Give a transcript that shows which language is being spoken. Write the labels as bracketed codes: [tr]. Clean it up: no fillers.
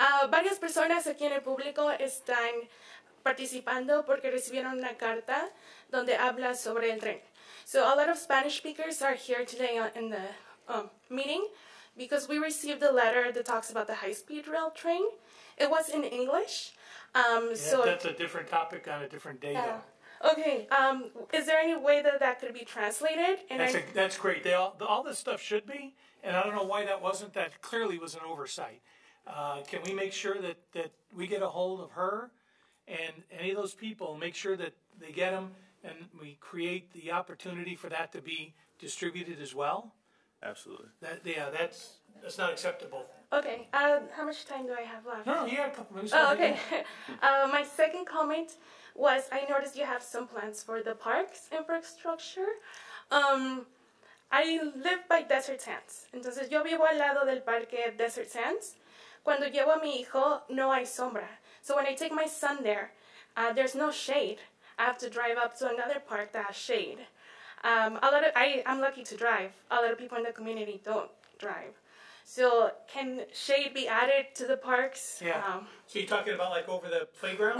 [es] Varias personas aquí en el público están participando porque recibieron una carta donde habla sobre el tren. [en] So a lot of Spanish speakers are here today in the meeting because we received a letter that talks about the high-speed rail train. It was in English. That's a different topic on a different day, though. Okay. Is there any way that that could be translated? That's great. All this stuff should be, and I don't know why that wasn't. That clearly was an oversight. Can we make sure that we get a hold of her and any of those people, make sure that they get them, and we create the opportunity for that to be distributed as well? Absolutely. That's not acceptable. Okay. How much time do I have left? No, you have a couple minutes. Okay. My second comment was, I noticed you have some plans for the parks infrastructure. I live by Desert Sands. [es] Entonces, yo vivo al lado del parque Desert Sands. Cuando llevo a mi hijo, no hay sombra. [en] So when I take my son there, there's no shade. I have to drive up to another park that has shade. I'm lucky to drive. A lot of people in the community don't drive. So can shade be added to the parks? Yeah. So you're talking about like over the playground?